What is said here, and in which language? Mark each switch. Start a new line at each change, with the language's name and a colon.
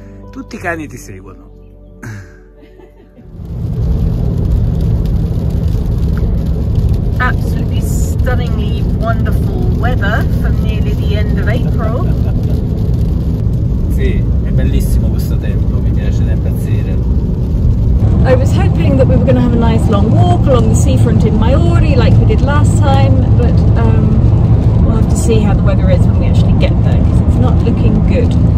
Italian: Tutti I cani ti seguono.
English: Stunningly wonderful weather from nearly the end of April.
Italian: Sì, è bellissimo questo tempo, mi piace da impazzire.
English: I was hoping that we were going to have a nice long walk along the seafront in Maori like we did last time, but we'll have to see how the weather is when we actually get there because it's not looking good.